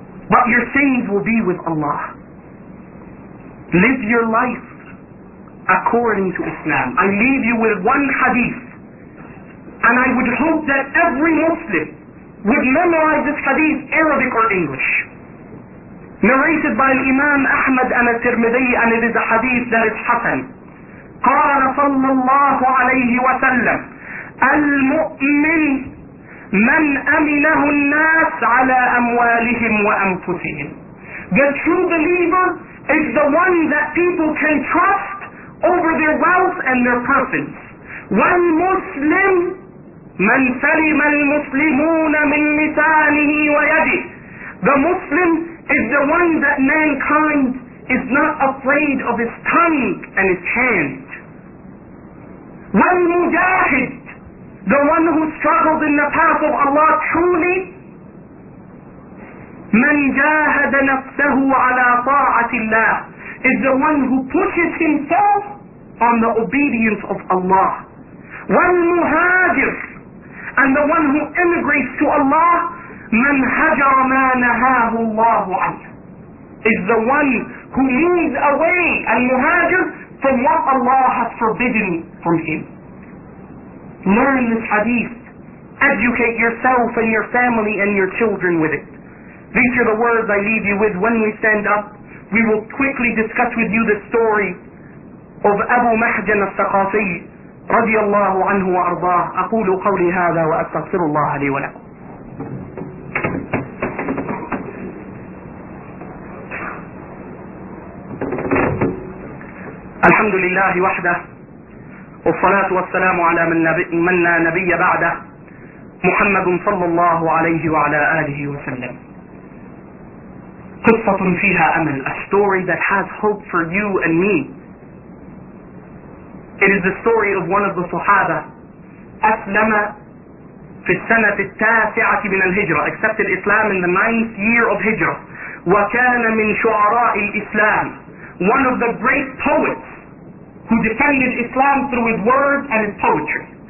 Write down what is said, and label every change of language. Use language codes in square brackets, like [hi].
[en] But your sins will be with Allah. Live your life according to Islam. I leave you with one hadith. And I would hope that every Muslim would memorize this hadith, Arabic or English. Narrated by Imam Ahmad and al-Tirmidhi, and it is a hadith that is hasan. [ar] قال صلى الله عليه وسلم المؤمن من أمنه الناس على أموالهم وأنفسهم. [en] The true believer is the one that people can trust over their wealth and their persons. [ar] والمسلم من سلم المسلمون من لسانه ويده. [en] The Muslim is the one that mankind is not afraid of his tongue and his hand. [ar] وَالْمُجَاهِدِ, [en] the one who struggles in the path of Allah truly. [ar] مَنْ جَاهَدَ نَفْسَهُ عَلَىٰ طَاعَةِ اللَّهِ, [en] is the one who pushes himself on the obedience of Allah. [ar] وَالْمُهَاجِرِ, [en] and the one who immigrates to Allah. [ar] مَنْ هَجَرَ مَا نَهَاهُ اللَّهُ عَنْهُ, [en] is the one who moves away and muhajir from what Allah has forbidden from him. Learn this hadith. Educate yourself and your family and your children with it. These are the words I leave you with. When we stand up, we will quickly discuss with you the story of Abu Mahjan al-Thaqafi [ar] رضي الله عنه وأرضاه. أقول قولي هذا وأستغفر الله لي ولكم. الحمد لله وحده والصلاة والسلام على من لا نبي بعده محمد صلى الله عليه وعلى آله وسلم. قصة فيها أمل. [en] A story that has hope for you and me. It is the story of one of the [ar] صحابة أسلم في السنة التاسعة من الهجرة, [en] accepted Islam in the 9th year of هجرة, [ar] وكان من شعراء الإسلام, [en] one of the great poets who defended Islam through his words and his poetry.